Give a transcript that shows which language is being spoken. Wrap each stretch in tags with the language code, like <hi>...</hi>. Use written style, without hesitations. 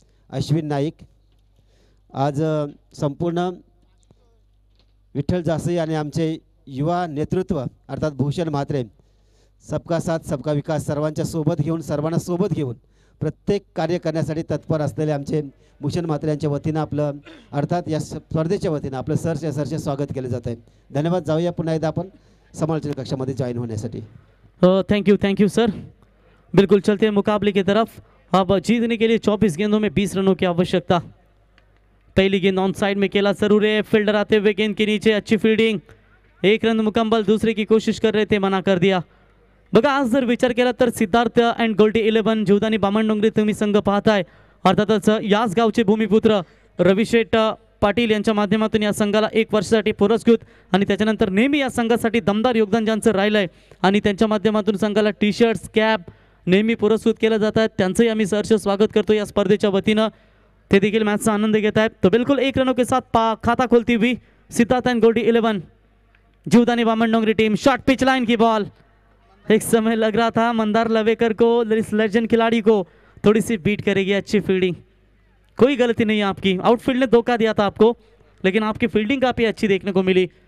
<mr>अश्विन नाईक आज संपूर्ण विठ्ठल जासई आणि आमचे युवा नेतृत्व अर्थात भूषण म्हात्रे</mr> <hi>सबका साथ सबका विकास</hi> <mr>सर्वांच्या सोबत घेऊन सर्वांना सोबत घेऊन प्रत्येक कार्य करण्यासाठी तत्पर असलेले आमचे भूषण म्हात्रे यांच्या वतीनं आपलं अर्थात या स्पर्धेच्या वतीनं आपलं सरचे स्वागत केलं जात आहे। धन्यवाद, जाऊया पुन्हा एकदा आपण समालोचन कक्षामध्ये जॉईन होण्यासाठी। Thank you sir.</mr> <hi>बिलकुल चलते मुकाबले की तरफ। अब जीतने के लिए 24 गेंदों में 20 रनों की आवश्यकता। पहली गेंद ऑन साइड में खेला जरूर है, फील्डर आते हुए गेंद के नीचे, अच्छी फील्डिंग, एक रन मुकम्मल, दूसरे की कोशिश कर रहे थे, मना कर दिया।</hi> <mr>बघा आज जर विचार केला तर सिद्धार्थ एंड गोल्डी 11 जीवदानी बामणडोंगरी तुम्ही संघ पाहताय, अर्थातच याच गावचे भूमिपुत्र रविशेठ पाटील यांच्या माध्यमातून या संघाला एक वर्षासाठी पुरस्कृत आणि त्याच्यानंतर नेहमी या संघासाठी दमदार योगदान ज्यांचं राहिलंय आणि त्यांच्या माध्यमातून संघाला टी शर्ट्स कॅप नेहमी पुरस्कृत केलं जात आहेत, त्यांचंही आम्ही सहर्ष स्वागत करतो या स्पर्धेच्या वतीनं। ते देखील मॅचचा आनंद घेत आहेत।</mr> <hi>तो बिलकुल एक रनों के साथ खाता खोलती हुई Siddharth and Goldy 11 Jivdani Bamandongri team. Short pitch line की बॉल, एक समय लग रहा था मंदार लवेकर को इस लेजेंड खिलाड़ी को थोड़ी सी बीट करेगी, अच्छी फील्डिंग, कोई गलती नहीं आपकी, आउटफील्ड ने धोखा दिया था आपको, लेकिन आपकी फील्डिंग काफ़ी अच्छी देखने को मिली।</hi>